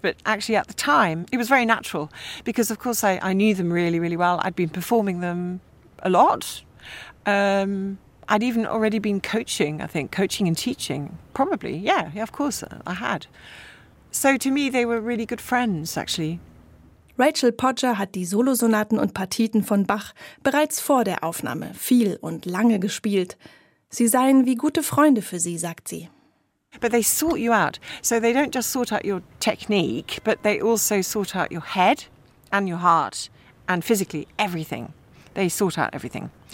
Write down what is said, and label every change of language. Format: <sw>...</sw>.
<en>But actually, at the time, it was very natural. Because, of course, I knew them really, really well. I'd been performing them a lot. I'd even already been coaching and teaching, probably. Yeah, of course, I had. So to me, they were really good friends, actually.</en> <de>Rachel Podger hat die Solosonaten und Partiten von Bach bereits vor der Aufnahme viel und lange gespielt. Sie seien wie gute Freunde für sie, sagt sie.</de> <en>But they sort you out. So they don't just sort out your technique, but they also sort out your head and your heart and physically everything. They sort out everything.</en>